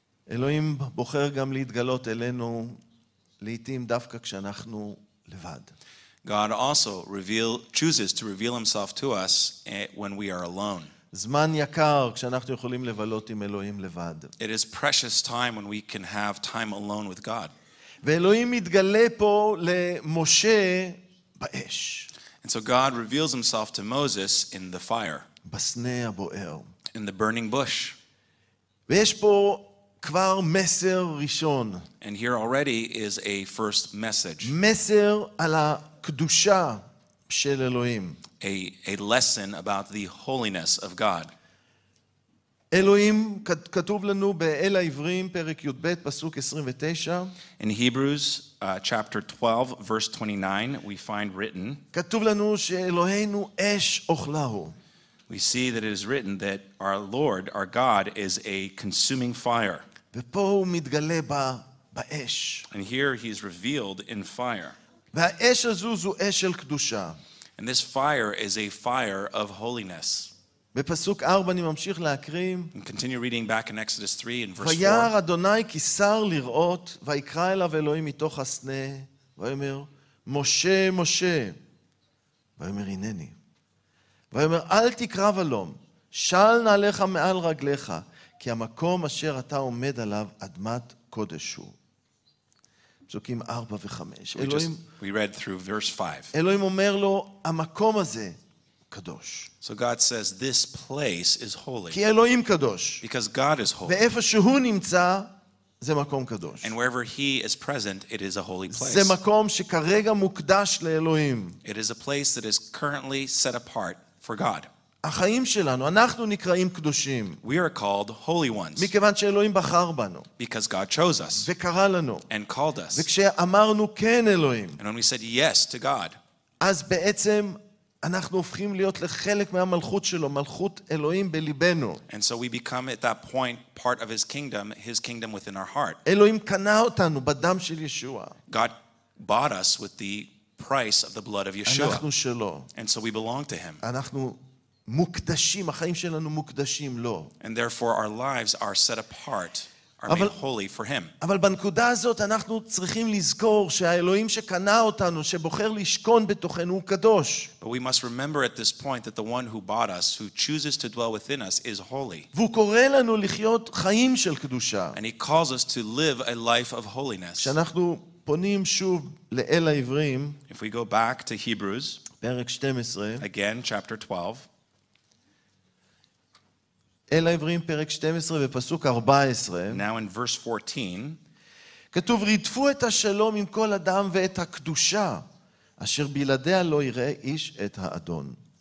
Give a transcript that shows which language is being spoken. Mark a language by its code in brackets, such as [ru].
[he] אלוהים בוחר גם להתגלות אלינו לעתים דווקא כשאנחנו לבד. [en] God also chooses to reveal himself to us when we are alone. [he] זמן יקר כשאנחנו יכולים לבלות עם אלוהים לבד. [en] It is precious time when we can have time alone with God. [he] ואלוהים מתגלה פה למשה באש. [en] And so God reveals himself to Moses in the fire. [he] בסנה הבוער. [en] In the burning bush. [he] ויש פה כבר מסר ראשון. [en] And here already is a first message. [he] מסר על הקדושה של אלוהים. [en] A lesson about the holiness of God. [he] אלוהים כתוב לנו באל העברים פרק י"ב פסוק 29. [en] In Hebrews chapter 12 verse 29 we find written. [he] כתוב לנו שאלוהינו אש אוכלהו. [en] We see that it is written that our Lord, our God is a consuming fire. [he] ופה הוא מתגלה באש. [en] And here he is revealed in fire. [he] והאש הזו זו אש של קדושה. [en] And this fire is a fire of holiness. [he] בפסוק 4 אני ממשיך להקריא. [en] Continue reading back in Exodus 3 in verse 4. [he] וירא אדוני כי שר לראות ויקרא אליו אלוהים מתוך הסנה ויאמר, משה, משה. ויאמר, הנני. ויאמר, אל תקרא ולום, של נעליך מעל רגליך, כי המקום אשר אתה עומד עליו אדמת קודש הוא. פסוקים 4 ו-5. [en] We read through verse 5. [he] אלוהים אומר לו, המקום הזה קדוש. [en] So God says, this place is holy. [he] כי אלוהים קדוש. [en] Because God is holy. [he] ואיפה שהוא נמצא, זה מקום קדוש. [en] And wherever he is present, it is a holy place. [he] זה מקום שכרגע מוקדש לאלוהים. [en] It is a place that is currently set apart for God. [he] החיים שלנו, אנחנו נקראים קדושים. [en] We are called holy ones. [he] מכיוון שאלוהים בחר בנו. [en] Because God chose us. [he] וקרא לנו. [en] And called us. [he] וכשאמרנו כן אלוהים. [en] And when we said yes to God. [he] אז בעצם אנחנו הופכים להיות לחלק מהמלכות שלו, מלכות אלוהים בליבנו. [en] And so we become at that point part of his kingdom within our heart. [he] אלוהים קנה אותנו בדם של ישוע. [en] God bought us with the price of the blood of Yeshua. [he] אנחנו שלו. [en] And so we belong to him. [he] אנחנו מוקדשים, החיים שלנו מוקדשים לו. [en] And therefore our lives are set apart, are made holy for him. [he] אבל בנקודה הזאת אנחנו צריכים לזכור שהאלוהים שקנה אותנו, שבוחר לשכון בתוכנו, הוא קדוש. [en] But we must remember at this point that the one who bought us, who chooses to dwell within us, is holy. [he] והוא קורא לנו לחיות חיים של קדושה. [en] And he calls us to live a life of holiness. [he] כשאנחנו פונים שוב לאל העברים, [en] if we go back to Hebrews, [he] פרק 12, [en] again chapter 12, [he] אל העברים פרק 12 ופסוק 14. [en] Now in verse 14. [he] כתוב, רדפו את השלום עם כל אדם ואת הקדושה, אשר בלעדיה לא יראה איש את האדון.